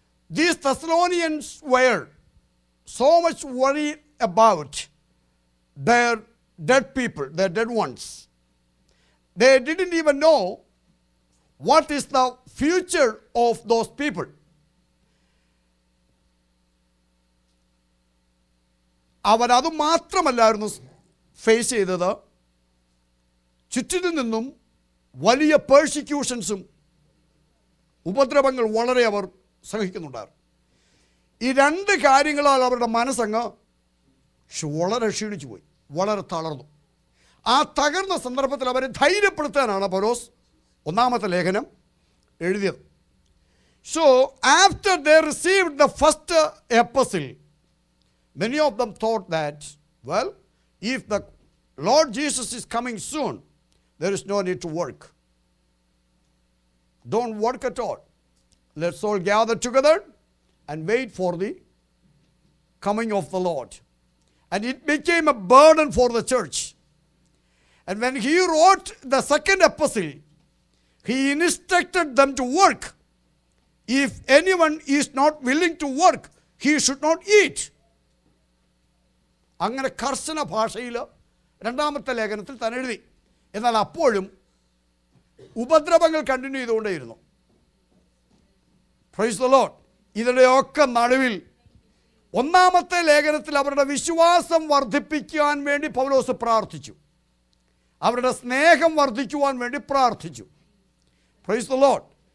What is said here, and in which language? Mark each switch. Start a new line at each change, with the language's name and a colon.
English: These Thessalonians were so much worried about their dead people, their dead ones. They didn't even know what is the future of those people.
Malayalam: അവരതു മാത്രമല്ലായിരുന്നു face ചെയ്തത്, ചുറ്റിനു നിന്നും വലിയ പേഴ്സിക്യൂഷൻസും ഉപദ്രവങ്ങൾ വളരെ അവർ സഹിക്കുന്നുണ്ടായിരുന്നു. ഈ രണ്ട് കാര്യങ്ങളാൽ അവരുടെ മനസ്സങ്ങ് വളരെ ക്ഷീണിച്ചു പോയി, വളരെ തളർന്നു. ആ തകർന്ന സന്ദർഭത്തിൽ അവരെ ധൈര്യപ്പെടുത്താനാണ് പൗലോസ് ഒന്നാമത്തെ ലേഖനം എഴുതിയത്.
English: So after they received the first epistle, many of them thought that, well, if the Lord Jesus is coming soon, there is no need to work. Don't work at all. Let's all gather together and wait for the coming of the Lord. And it became a burden for the church. And when he wrote the second epistle, he instructed them to work. If anyone is not willing to work, he should not eat.
Malayalam: അങ്ങനെ കർശന ഭാഷയിൽ രണ്ടാമത്തെ ലേഖനത്തിൽ തന്നെ എഴുതി. എന്നാൽ അപ്പോഴും ഉപദ്രവങ്ങൾ continue ചെയ്തുകൊണ്ടേയിരുന്നു. Praise the Lord. ഇതിൻ്റെയൊക്കെ നടുവിൽ ഒന്നാമത്തെ ലേഖനത്തിൽ അവരുടെ വിശ്വാസം വർദ്ധിപ്പിക്കുവാൻ വേണ്ടി പൗലോസ് പ്രാർത്ഥിച്ചു, അവരുടെ സ്നേഹം വർദ്ധിക്കുവാൻ വേണ്ടി പ്രാർത്ഥിച്ചു. Praise the Lord.